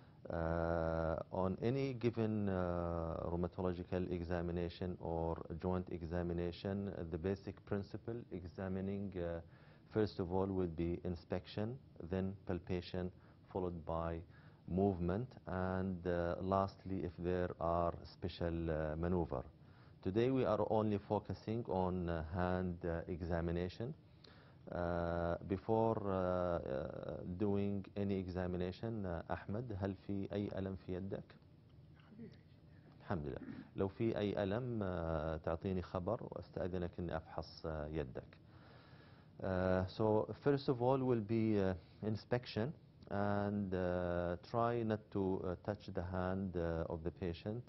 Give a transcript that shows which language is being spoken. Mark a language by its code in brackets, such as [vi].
[en] On any given rheumatological examination or joint examination, the basic principle examining first of all will be inspection, then palpation, followed by movement, and lastly if there are special maneuver. Today we are only focusing on hand examination. Before doing any examination, [ar] أحمد هل في أي ألم في يدك؟ الحمد لله. لو في أي ألم تعطيني خبر وأستأذنك إني أفحص يدك. [en] So first of all will be inspection, and try not to touch the hand of the patient.